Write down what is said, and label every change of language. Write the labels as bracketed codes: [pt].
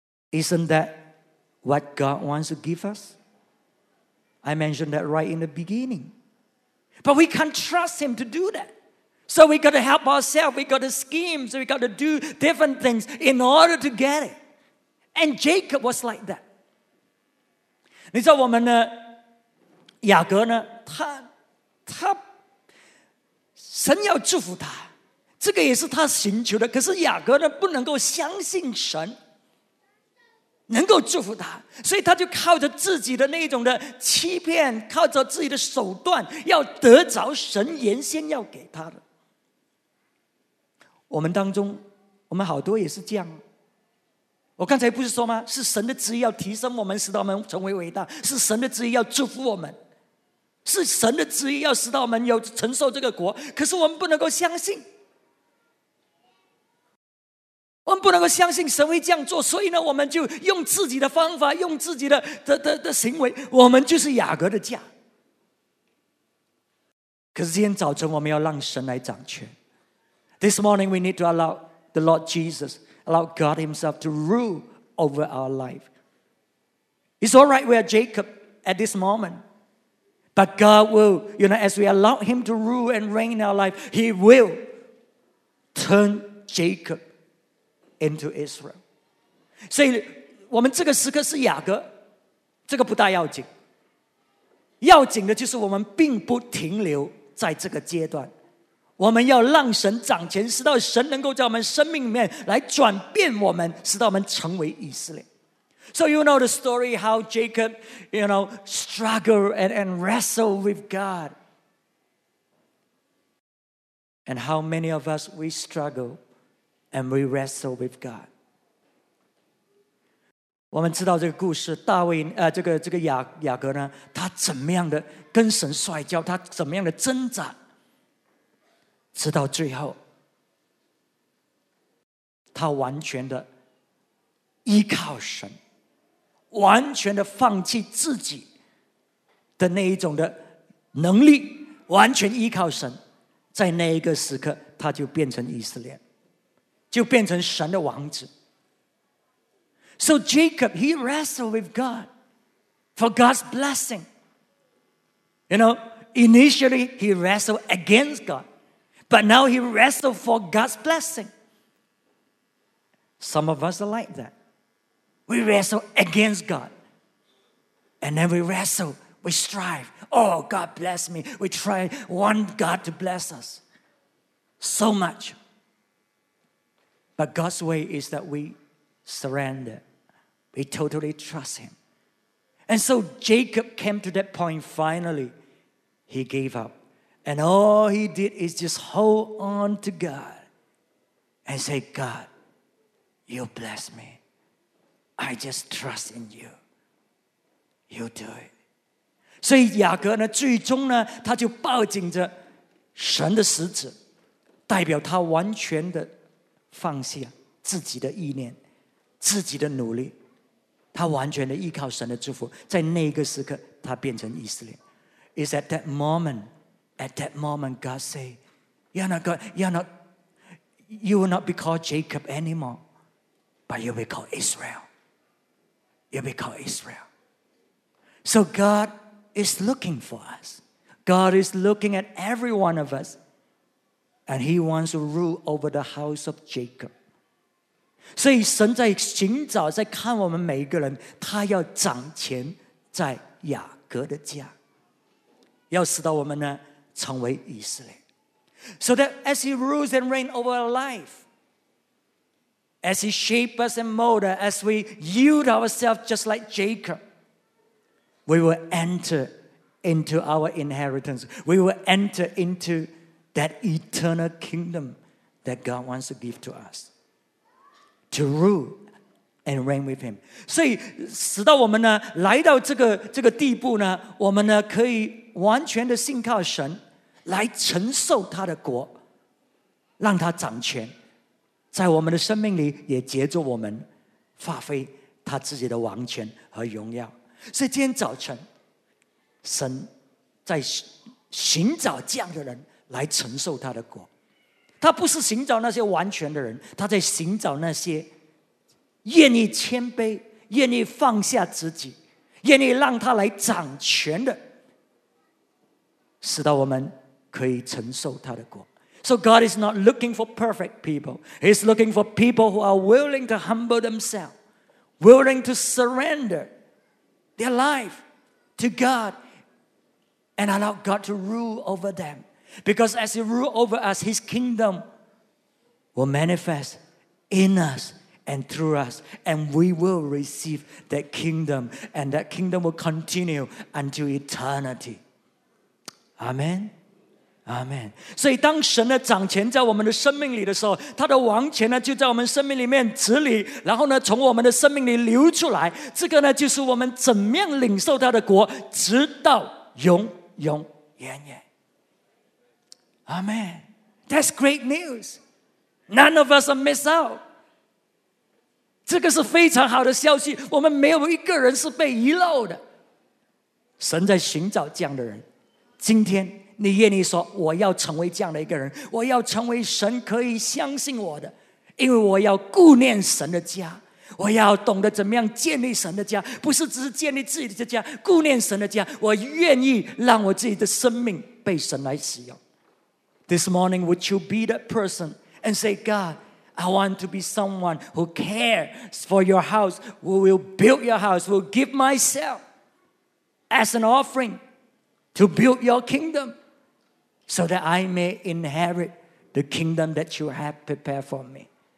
[en] Isn't that what God wants to give us? I mentioned that right in the beginning. But we can't trust him to do that. So we got to help ourselves. We got to scheme. So we got to do different things in order to get it. And Jacob was like that. [zh] 你知道我们呢，雅各呢，他神要祝福他，这个也是他寻求的。可是雅各呢，不能够相信神能够祝福他，所以他就靠着自己的那种的欺骗，靠着自己的手段，要得着神原先要给他的。我们当中，我们好多也是这样。我刚才不是说吗？是神的旨意要提升我们，使到我们成为伟大；是神的旨意要祝福我们；是神的旨意要使到我们有承受这个国。可是我们不能够相信。我们不能够相信神会这样做，所以呢，我们就用自己的方法，用自己的行为，我们就是雅各的家。可是今天早晨我们要让神来掌权。 [en] This morning we need to allow the Lord Jesus, allow God himself to rule over our life. It's all right, we are Jacob at this moment. But God will, you know, as we allow him to rule and reign in our life, he will turn Jacob into Israel. [zh] 所以我们这个时刻是雅各，这个不大要紧。要紧的就是我们并不停留在这个阶段，我们要让神掌权，使到神能够在我们生命里面来转变我们，使到我们成为以色列。 [en] So you know the story how Jacob, you know, struggled and wrestled with God. And how many of us, we struggle and we wrestle with God. [zh] 我们知道这个故事，大卫这个雅各呢，他怎么样的跟神摔跤，他怎么样的挣扎，直到最后他完全的依靠神，完全的放弃自己的那一种的能力，完全依靠神，在那一个时刻他就变成以色列，就变成神的王子。 [en] So Jacob, he wrestled with God for God's blessing. You know, initially he wrestled against God, but now he wrestled for God's blessing. Some of us are like that. We wrestle against God. And then we wrestle, we strive. Oh, God bless me. We try, want God to bless us so much. But God's way is that we surrender. We totally trust him. And so Jacob came to that point, finally, he gave up. And all he did is just hold on to God and say, God, you bless me. I just trust in you. You do it. [zh] 所以雅各呢，最终呢，他就抱紧着神的实质，代表他完全的放下自己的意念，自己的努力。他完全的依靠神的祝福，在那个时刻他变成以色列。 [en] It's at that moment God say, you will not be called Jacob anymore, but you will be called Israel. You will be called Israel. So God is looking for us. God is looking at every one of us, and he wants to rule over the house of Jacob. [zh] 所以神在寻找，在看我们每一个人，他要掌权在雅各的家，要使到我们呢成为以色列。 [en] So that as he rules and reigns over our life, as he shapes us and molds us, as we yield ourselves just like Jacob, we will enter into our inheritance. We will enter into that eternal kingdom that God wants to give to us. To rule and reign with him. [zh] 所以使到我们呢来到这个地步呢，我们呢可以完全的信靠神来承受他的国，让他掌权在我们的生命里，也藉着我们发挥他自己的王权和荣耀。所以今天早晨神在寻找这样的人来承受他的国，他不是寻找那些完全的人，他在寻找那些愿意谦卑，愿意放下自己，愿意让他来掌权的，使到我们可以承受他的国。 [en] So God is not looking for perfect people. He's looking for people who are willing to humble themselves, willing to surrender their life to God and allow God to rule over them. Because as he rules over us, his kingdom will manifest in us and through us. And we will receive that kingdom. And that kingdom will continue until eternity. Amen. Amen. [zh] 所以当神的掌权在我们的生命里的时候，他的王权呢就在我们生命里面治理，然后呢从我们的生命里流出来。这个呢就是我们怎么样领受他的国，直到永永远远。 [en] Amen. That's great news. None of us are missed out. [zh] 这个是非常好的消息，我们没有一个人是被遗漏的。神在寻找这样的人，今天你愿意说我要成为这样的一个人，我要成为神可以相信我的，因为我要顾念神的家，我要懂得怎么样建立神的家，不是只是建立自己的家，顾念神的家，我愿意让我自己的生命被神来使用。 [en] This morning would you be that person and say, God, I want to be someone who cares for your house, who will build your house, who will give myself as an offering to build your kingdom so that I may inherit the kingdom that you have prepared for me.